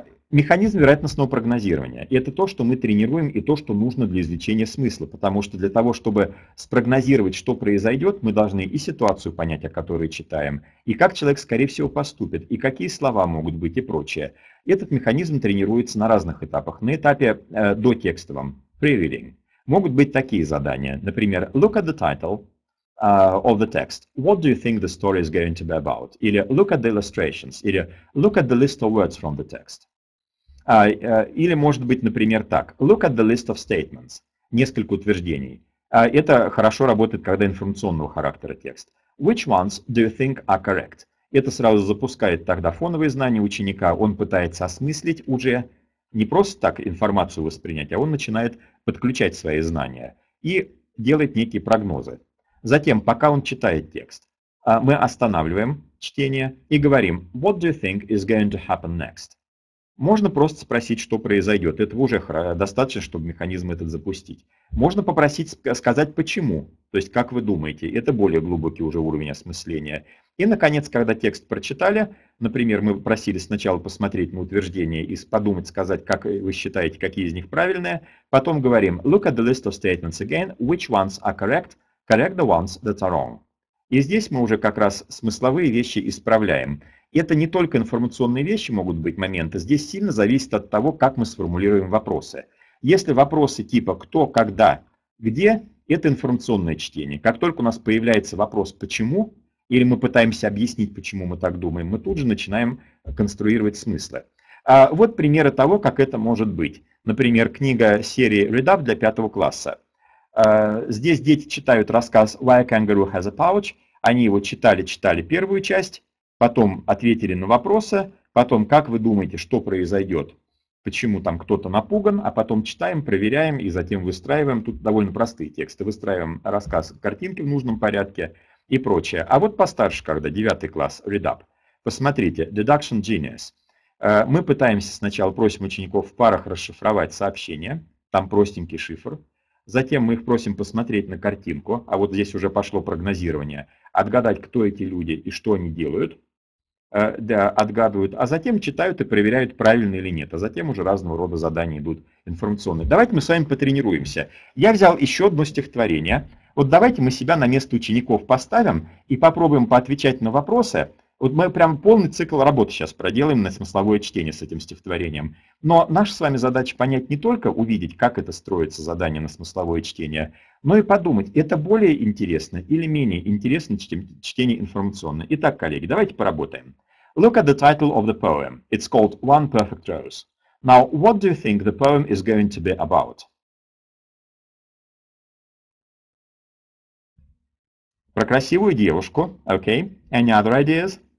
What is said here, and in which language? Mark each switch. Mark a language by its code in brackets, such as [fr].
[ru] Механизм вероятностного прогнозирования – это то, что мы тренируем и то, что нужно для извлечения смысла, потому что для того, чтобы спрогнозировать, что произойдет, мы должны и ситуацию понять, о которой читаем, и как человек, скорее всего, поступит, и какие слова могут быть и прочее. Этот механизм тренируется на разных этапах. На этапе дотекстовом – pre-reading. Могут быть такие задания. [en] Например, look at the title of the text. What do you think the story is going to be about? [ru] Или [en] look at the illustrations. [ru] Или [en] look at the list of words from the text. [ru] Или может быть, например, так. [en] Look at the list of statements. [ru] Несколько утверждений. Это хорошо работает, когда информационного характера текст. [en] Which ones do you think are correct? [ru] Это сразу запускает тогда фоновые знания ученика. Он пытается осмыслить уже не просто так информацию воспринять, а он начинает подключать свои знания и делать некие прогнозы. Затем, пока он читает текст, мы останавливаем чтение и говорим [en] «What do you think is going to happen next?» [ru] Можно просто спросить, что произойдет. Этого уже достаточно, чтобы механизм этот запустить. Можно попросить сказать «почему?», то есть «как вы думаете?». Это более глубокий уже уровень осмысления. И, наконец, когда текст прочитали, например, мы просили сначала посмотреть на утверждение и подумать, сказать, как вы считаете, какие из них правильные. Потом говорим [en] «Look at the list of statements again. Which ones are correct? Correct the ones that are wrong». [ru] И здесь мы уже как раз смысловые вещи исправляем. Это не только информационные вещи могут быть моменты, здесь сильно зависит от того, как мы сформулируем вопросы. Если вопросы типа «кто», «когда», «где» — это информационное чтение. Как только у нас появляется вопрос «почему», или мы пытаемся объяснить, почему мы так думаем, мы тут же начинаем конструировать смыслы. А вот примеры того, как это может быть. Например, книга серии «Read Up» для 5 класса. Здесь дети читают рассказ «Why a Kangaroo Has a Pouch». Они его читали первую часть, потом ответили на вопросы, потом «Как вы думаете, что произойдет? Почему там кто-то напуган?», а потом читаем, проверяем и затем выстраиваем. Тут довольно простые тексты. Выстраиваем рассказ, картинки в нужном порядке и прочее. А вот постарше, когда 9 класс, read up. Посмотрите, deduction genius. Мы пытаемся сначала, просим учеников в парах расшифровать сообщение, там простенький шифр. Затем мы их просим посмотреть на картинку, а вот здесь уже пошло прогнозирование, отгадать, кто эти люди и что они делают. Да, отгадывают, а затем читают и проверяют, правильно или нет. А затем уже разного рода задания идут информационные. Давайте мы с вами потренируемся. Я взял еще одно стихотворение. Вот давайте мы себя на место учеников поставим и попробуем поотвечать на вопросы. Вот мы прям полный цикл работы сейчас проделаем на смысловое чтение с этим стихотворением. Но наша с вами задача понять не только увидеть, как это строится задание на смысловое чтение, но и подумать, это более интересно или менее интересно, чем чтение информационное. Итак, коллеги, давайте поработаем. [en] Look at the title of the poem. It's called One Perfect Rose. Now, what do you think the poem is going to be about? [ru] Про красивую девушку. [en] Okay. Any other ideas?